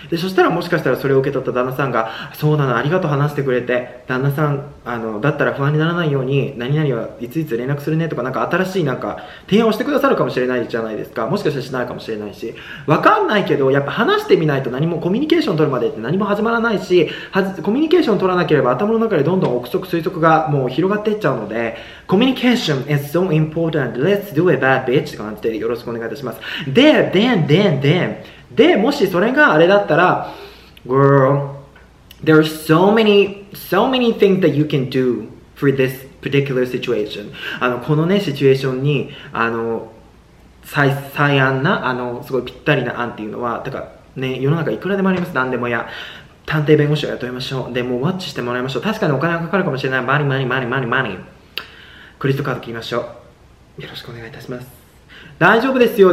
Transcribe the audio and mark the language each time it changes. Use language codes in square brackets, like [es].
[ja] で、そしたらもしかしたらそれを受け取った旦那さんが、そうなの、ありがとう話してくれて、旦那さん、あの、だったら不安にならないように、何々はいついつ連絡するねとか、なんか新しいなんか、提案をしてくださるかもしれないじゃないですか。もしかしたらしないかもしれないし。わかんないけど、やっぱ話してみないと何も、コミュニケーション取るまでって何も始まらないし、コミュニケーション取らなければ頭の中でどんどん憶測推測がもう広がっていっちゃうので、コミュニケーション [en] is so important. Let's do it, bad bitch. [ja] って感じでよろしくお願いいたします。で、で、もしそれがあれだったら、 [en] Girl, there are so many things that you can do for this particular situation. [ja] あの、このね、シチュエーションに、あの、最安な、あの、すごいぴったりな案っていうのは、だからね、世の中いくらでもあります。何でもや。探偵弁護士を雇いましょう。で、もうワッチしてもらいましょう。確かにお金がかかるかもしれない。 [en] Money. [ja] クレジットカード切りましょう。よろしくお願いいたします。大丈夫ですよ。